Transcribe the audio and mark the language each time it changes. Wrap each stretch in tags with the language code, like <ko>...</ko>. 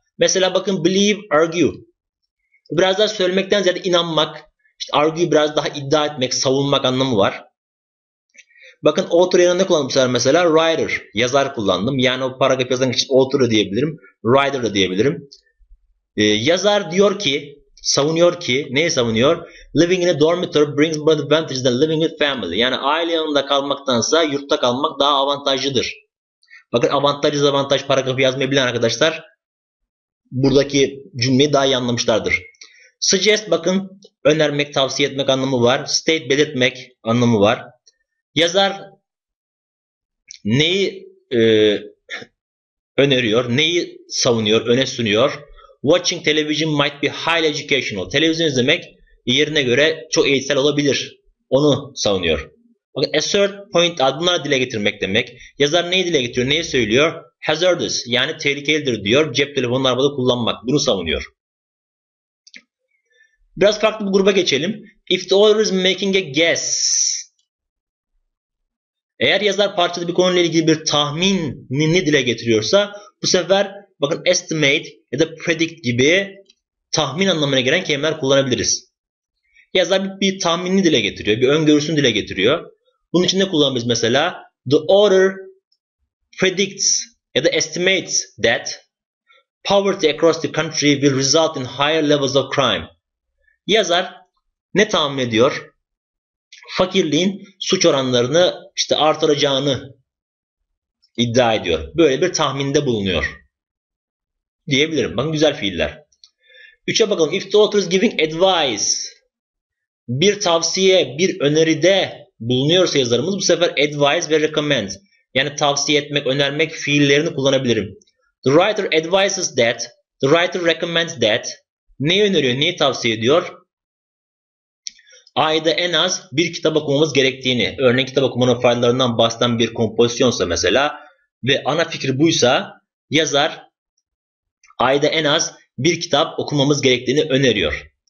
<tr>Mesela bakın believe, argue. Biraz daha söylemekten ziyade inanmak, işte argue biraz daha iddia etmek, savunmak anlamı var. Bakın author yanında kullandım mesela writer, yazar kullandım. Yani o paragraf yazan için author da diyebilirim, writer da diyebilirim. Yazar diyor ki, savunuyor ki, neyi savunuyor?</tr> <en>Living in a dormitory brings more advantages than living with family.</en> <tr>Yani aile yanında kalmaktansa yurtta kalmak daha avantajlıdır. Bakın avantaj, dezavantaj paragrafı yazmayı bilen arkadaşlar buradaki cümleyi daha iyi anlamışlardır. Suggest bakın önermek, tavsiye etmek anlamı var. State belirtmek anlamı var. Yazar neyi öneriyor, neyi savunuyor, öne sunuyor?</tr> <en>Watching television might be highly educational.</en> <tr>Televizyon izlemek yerine göre çok eğitsel olabilir. Onu savunuyor. Bakın, assert point out, bunları dile getirmek demek. Yazar neyi dile getiriyor, neyi söylüyor? Hazardous, yani tehlikelidir diyor. Cep telefonunu arabada kullanmak, bunu savunuyor. Biraz farklı bir gruba geçelim.</tr> <en>If the author is making a guess.</en> <tr>Eğer yazar parçada bir konuyla ilgili bir tahminini dile getiriyorsa bu sefer bakın estimate ya da predict gibi tahmin anlamına gelen kelimeler kullanabiliriz. Yazar bir tahminini dile getiriyor, bir öngörüsünü dile getiriyor. Bunun için ne kullanabiliriz mesela?</tr> <en>The author predicts</en> <tr>ya da</tr> <en>estimates that poverty across the country will result in higher levels of crime.</en> <tr>Yazar ne tahmin ediyor? Fakirliğin suç oranlarını işte artıracağını iddia ediyor. Böyle bir tahminde bulunuyor diyebilirim. Bakın güzel fiiller. 3'e bakalım.</tr> <en>If the author is giving advice,</en> <tr>bir tavsiye, bir öneride bulunuyorsa yazarımız bu sefer advise ve recommend, yani tavsiye etmek, önermek fiillerini kullanabilirim.</tr> <en>The writer advises that, the writer recommends that.</en> <tr>Neyi öneriyor, neyi tavsiye ediyor? Ayda en az bir kitap okumamız gerektiğini, örneğin kitap okumanın faydalarından bahseden bir kompozisyonsa mesela ve ana fikri buysa yazar ayda en az bir kitap okumamız gerektiğini öneriyor.</tr>